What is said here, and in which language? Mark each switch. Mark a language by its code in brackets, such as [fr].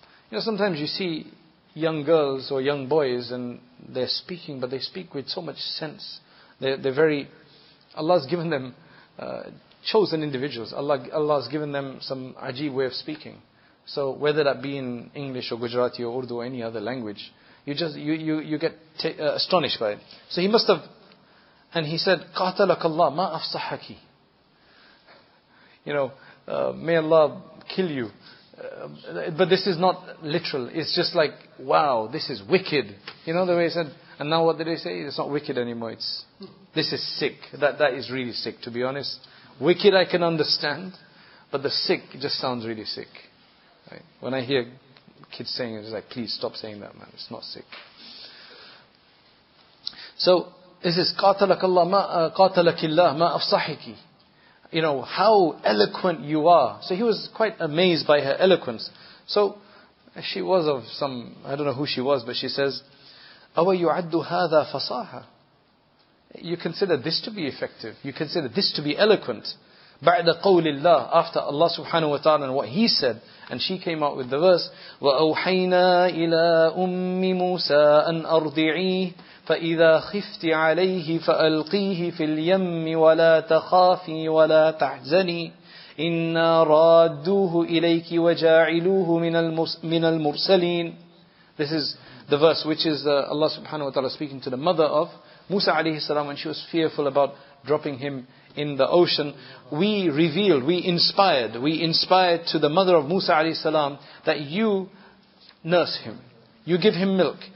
[en] You know, sometimes you see young girls or young boys and they're speaking, but they speak with so much sense. They're very... Allah's given them chosen individuals. Allah's given them some ajeeb way of speaking. So whether that be in English or Gujarati or Urdu or any other language, you get astonished by it. So he must have... And he said, [ar] قَاتَلَكَ اللَّهُ مَا أَفْصَحَكِ. [en] You know, may Allah kill you. But this is not literal. It's just like, wow, this is wicked. You know the way he said, and now what did he say? It's not wicked anymore. This is sick. That is really sick, to be honest. Wicked I can understand, but the sick just sounds really sick. Right? When I hear kids saying it, it's like, please stop saying that, man. It's not sick. So, this is, [ar] قَاتَلَكَ اللَّهُ مَا قَاتَلَكِ اللَّهُ مَا أَفْصَحِكِ. [en] You know, how eloquent you are. So he was quite amazed by her eloquence. So she was of some, I don't know who she was, but she says, [ar] أَوَ يُعَدُّ هَذَا فَصَاحَ. [en] You consider this to be effective. You consider this to be eloquent. [ar] بعد قول الله, [en] after Allah subhanahu wa ta'ala and what he said, and she came out with the verse, [ar] وَأَوْحَيْنَا إِلَىٰ أُمِّ مُوسَىٰ أَنْ أَرْضِعِيهِ فَإِذَا خِفْتِ عَلَيْهِ فَأَلْقِيهِ فِي الْيَمِّ وَلَا تَخَافِي وَلَا تَحْزَنِي إِنَّا رَادُّوهُ إِلَيْكِ وَجَاعِلُوهُ مِنَ الْمُرْسَلِينَ. [en] This is the verse which is Allah subhanahu wa ta'ala speaking to the mother of Musa alayhi salam when she was fearful about dropping him in the ocean. We revealed, we inspired to the mother of Musa alayhi salam that you nurse him, you give him milk.